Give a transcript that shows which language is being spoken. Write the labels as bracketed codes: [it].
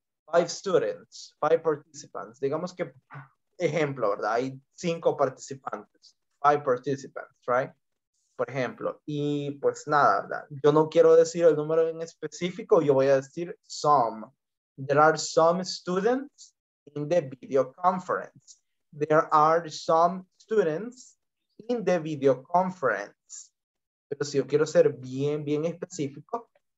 [en] Five students, five participants. [es] Digamos que, ejemplo, ¿verdad? Hay cinco participantes. [en] Five participants, right? [es] Por ejemplo. Y pues nada, ¿verdad? Yo no quiero decir el número en específico. Yo voy a decir some. [en] There are some students in the video conference. There are some students in the video conference. [es] Pero si yo quiero ser bien, bien específico.